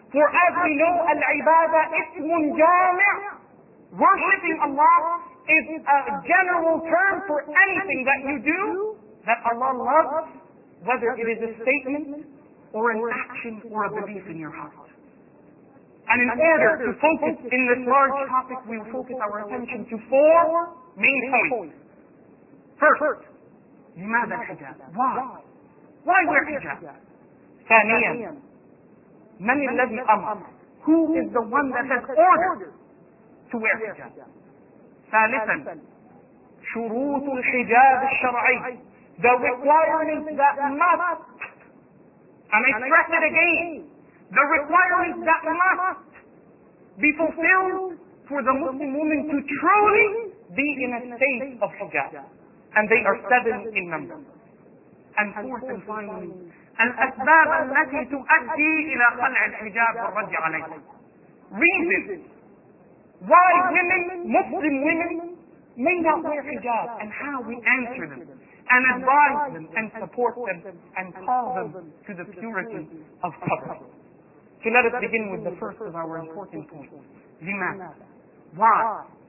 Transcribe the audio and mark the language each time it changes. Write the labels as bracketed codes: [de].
[en] For as we know, [ar] al-ibadah ismun jami', [en] worshipping Allah is a general term for anything that you do that Allah loves, whether it is a statement or an action or a belief in your heart. And in order to focus in this large topic, we will focus our attention to four main points. First, [ar] لماذا حجاب? [en] Why? Why wear hijab? [ar] ثانيا, من الذي أمر? [en] Who is the one that has ordered to wear hijab? [ar] ثالثا, شروط الحجاب الشرعي. [en] The requirements that must, and I stress it again, the requirements that must be fulfilled for the Muslim woman to truly be in a state of hijab. And they are seven in number. And fourth and finally, [ar] الأسباب التي تؤدي إلى خلع الحجاب والرد عليه. [en] Reasons why women, Muslim women, may not wear hijab and how we answer them and advise them and support them and call them to the purity of covering. So let us begin with the first of our important points. لماذا? Why?